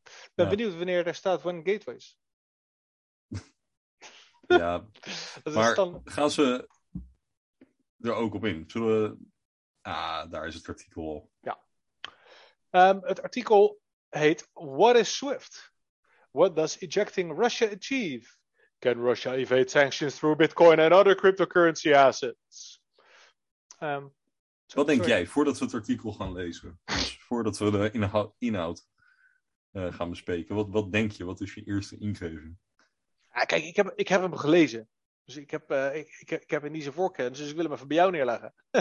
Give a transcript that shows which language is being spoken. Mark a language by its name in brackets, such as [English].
[Dutch] Ik ben benieuwd wanneer er staat One Gateways. Ja, maar gaan ze er ook op in? Zullen we... Ah, daar is het artikel. Ja. Het artikel heet [English] What is Swift? What does ejecting Russia achieve? Can Russia evade sanctions through Bitcoin and other cryptocurrency assets? [Dutch] Wat denk jij, voordat we het artikel gaan lezen, voordat we de inhoud gaan bespreken, wat denk je, wat is je eerste ingeving? Ja, kijk, ik heb hem gelezen, dus ik heb hem niet zijn voorkennis, dus ik wil hem even bij jou neerleggen.